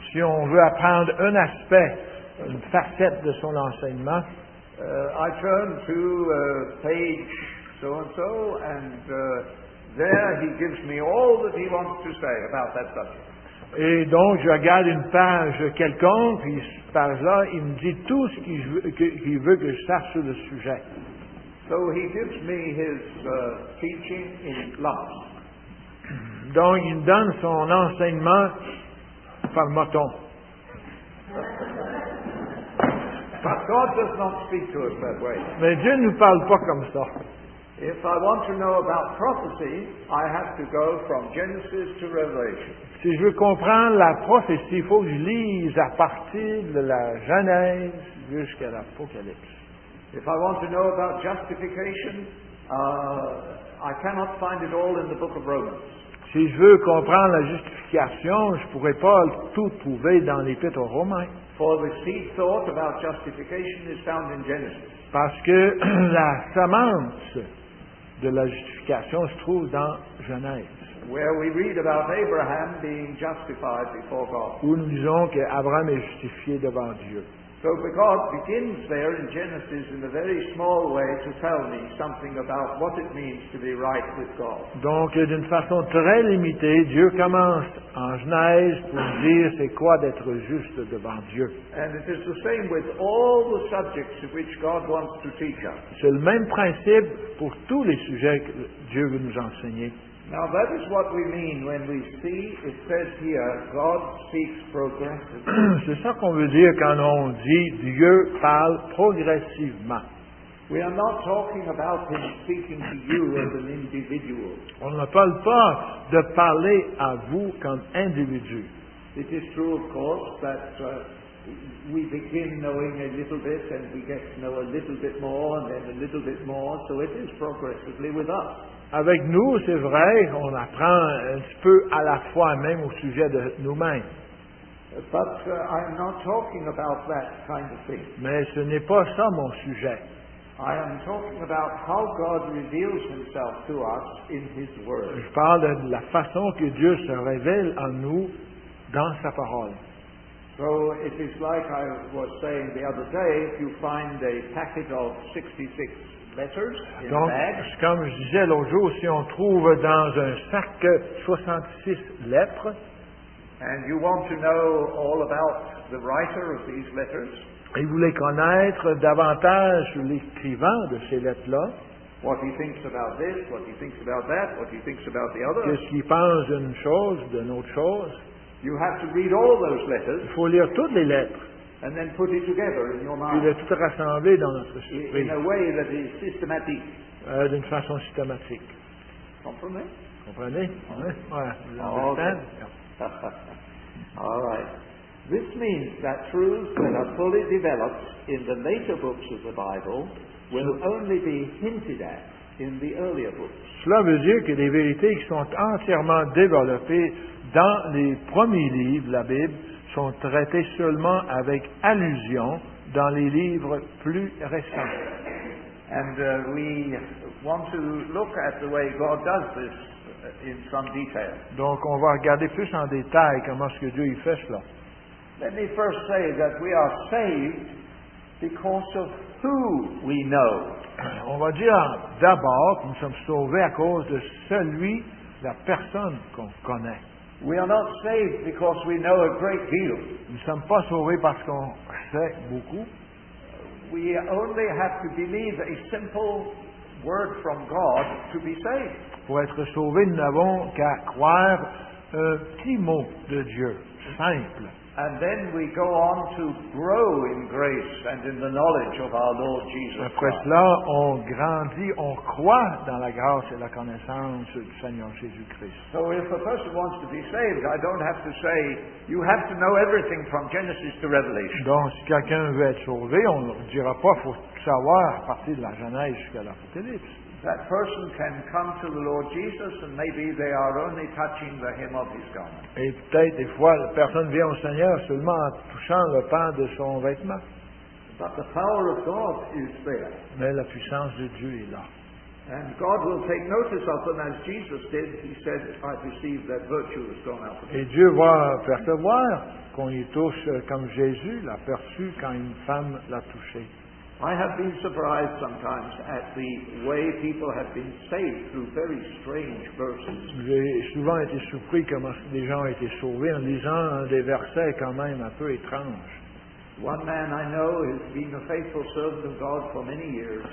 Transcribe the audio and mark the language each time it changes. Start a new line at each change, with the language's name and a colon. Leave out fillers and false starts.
French: si on veut apprendre un aspect, une facette de son enseignement,
English: I turn to page so and so, and there he gives me all that he wants to say about that subject.
French: Et donc, je regarde une page quelconque, puis cette page-là, il me dit tout ce qu'il veut que je sache sur le sujet.
English: So he gives me his, teaching in lumps.
French: Donc, il me donne son enseignement par moton.
English: But God does not speak to us that way.
French: Mais Dieu ne nous parle pas comme ça.
English: If I want to know about prophecy, I have to go from Genesis to Revelation.
French: Si je veux comprendre la prophétie, il faut que je lise à partir de la Genèse jusqu'à l'Apocalypse.
English: If I want to know about justification, I cannot find it all in the book of Romans.
French: Si je veux comprendre la justification, je ne pourrais pas tout trouver dans l'Épître aux Romains.
English: For the seed thought about justification is found in Genesis.
French: Parce que la semence de la justification se trouve dans Genèse.
English: Where we read about Abraham being justified before God.
French: Où nous disons que Abraham est justifié devant Dieu.
English: So God begins there in Genesis in a very small way to tell me something about what it means to be right with God.
French: Donc d'une façon très limitée, Dieu commence en Genèse pour dire c'est quoi d'être juste devant Dieu.
English: And it is the same with all the subjects which God wants to teach us.
French: C'est le même principe pour tous les sujets que Dieu veut nous enseigner.
English: Now that is what we mean when we see it says here God speaks progressively.
French: C'est ça qu'on veut dire quand on dit Dieu parle progressivement.
English: We are not talking about him speaking to you as an individual.
French: On ne parle pas de parler à vous comme individu.
English: It is true, of course, that we begin knowing a little bit and we get to know a little bit more and then a little bit more, so it is progressively with us.
French: Avec nous, c'est vrai, on apprend un petit peu à la fois, même au sujet de nous-mêmes.
English: But, I'm not talking about that kind of thing.
French: Mais ce n'est pas ça mon sujet.
English: I am talking about how God reveals himself to us in his word.
French: Je parle de la façon que Dieu se révèle en nous dans sa parole.
English: So it is like I was saying the other day, if you find a packet of 66 letters in
French: donc,
English: a bag.
French: Comme je disais l'autre jour, si on trouve dans un sac 66 lettres,
English: and you want to know all about the writer of these letters,
French: et vous voulez connaître davantage l'écrivain de ces lettres-là,
English: what he thinks about this, what he thinks about that, what he thinks about the other,
French: qu'est-ce qu'il pense d'une chose, d'une autre chose,
English: you have to read all those letters.
French: Il faut lire toutes les lettres.
English: And then put it together in your mind.
French: Il est tout rassemblé dans notre esprit.
English: In a way that is systematic.
French: D'une façon systématique. Comprenez? Comprenez? Oh. Oui. Ouais.
English: Okay. All right. This means that truths that are fully developed in the later books of the Bible will only be hinted at in the earlier books.
French: Cela veut dire que des vérités qui sont entièrement développées dans les premiers livres de la Bible sont traités seulement avec allusion dans les livres plus récents.
English: And we want to look at the way God does this in some detail.
French: Donc on va regarder plus en détail comment est-ce que Dieu y fait cela.
English: Let me first say that we are saved because of who we know.
French: On va dire d'abord que nous sommes sauvés à cause de celui, la personne qu'on connaît.
English: We are not saved because we know a great deal.
French: Nous ne sommes pas sauvés parce qu'on sait beaucoup.
English: We only have to believe a simple word from God to be saved.
French: Pour être sauvés, nous n'avons qu'à croire un petit mot de Dieu, simple.
English: And then we go on to grow in grace and in the knowledge of our Lord Jesus Christ.
French: Après cela, on grandit, on croit dans la grâce et la connaissance du Seigneur Jésus Christ.
English: So if a person wants to be saved, I don't have to say you have to know everything from Genesis to Revelation.
French: Donc, si quelqu'un veut être sauvé, on ne leur dira pas, faut savoir à partir de la Genèse jusqu'à l'Apocalypse.
English: That person can come to the Lord Jesus and maybe they are only touching the hem of his garment.
French: Et peut-être des fois la personne vient au Seigneur seulement en touchant le pan de son vêtement.
English: But the power of God is there.
French: Mais la puissance de Dieu est là.
English: And God will take notice of them as Jesus did. He said, I perceive that virtue has gone out of them.
French: Et Dieu va percevoir qu'on y touche comme Jésus l'a perçu quand une femme l'a touché.
English: I have been surprised sometimes at the way people have been saved through very strange verses.
French: J'ai souvent été surpris comment des gens ont été sauvés en lisant des versets quand même un peu étranges.
English: One man I know has been a faithful servant of God for many years.